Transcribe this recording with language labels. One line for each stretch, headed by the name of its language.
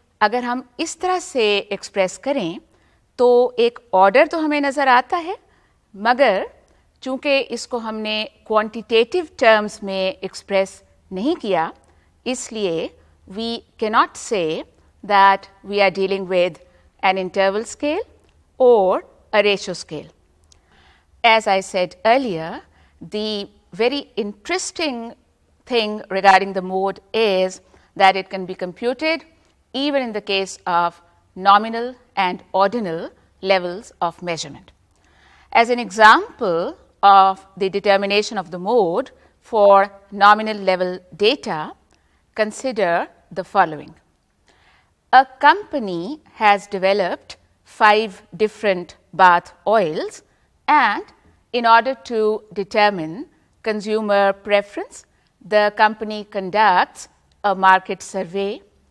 Urdu: اگر ہم اس طرح سے ایکسپریس کریں تو ایک آرڈر تو ہمیں نظر آتا ہے, مگر چونکہ اس کو ہم نے کوانٹیٹیو ٹرمز میں ایکسپریس نہیں کیا, اس لیے
English: We can not say that we are dealing with an interval scale or a ratio scale. As I said earlier, the very interesting thing regarding the mode is that it can be computed even in the case of nominal and ordinal levels of measurement. As an example of the determination of the mode for nominal level data, consider the following. A company has developed 5 different bath oils, and in order to determine consumer preference, the company conducts a market survey.